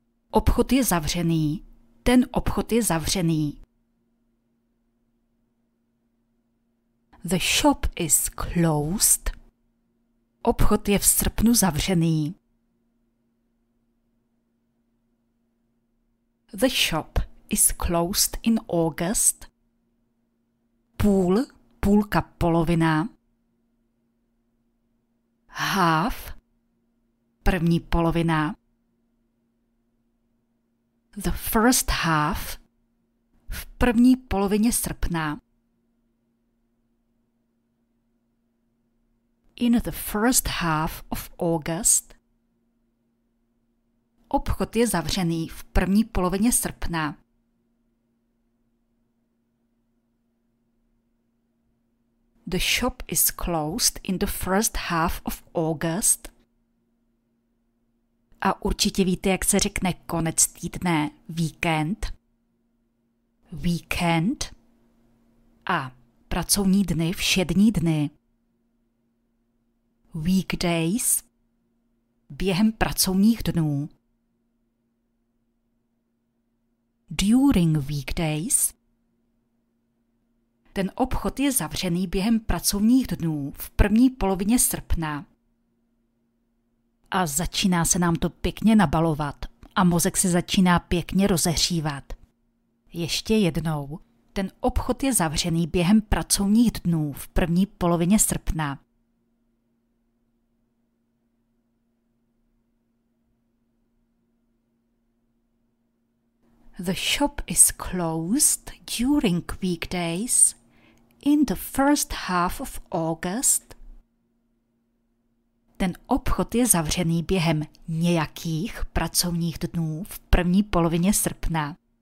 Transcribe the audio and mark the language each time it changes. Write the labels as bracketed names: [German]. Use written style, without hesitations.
[Czech] Obchod je zavřený. Ten obchod je zavřený. [English] The shop is closed. [Czech] Obchod je v srpnu zavřený. [English] The shop is closed in August. [Czech] Půl, půlka, polovina. Half, první polovina. [English] The first half, [Czech] v první polovině srpna. [English] In the first half of August. [Czech] Obchod je zavřený v první polovině srpna. [English] The shop is closed in the first half of August. [Czech] A určitě víte, jak se řekne konec týdne, weekend. Weekend. A pracovní dny, všední dny. Weekdays. Během pracovních dnů. [English] During weekdays. [Czech] Ten obchod je zavřený během pracovních dnů v první polovině srpna. A začíná se nám to pěkně nabalovat a mozek se začíná pěkně rozehřívat. Ještě jednou, ten obchod je zavřený během pracovních dnů v první polovině srpna. [English] The shop is closed during weekdays in the first half of August. [Czech] Ten obchod je zavřený během nějakých pracovních dnů v první polovině srpna.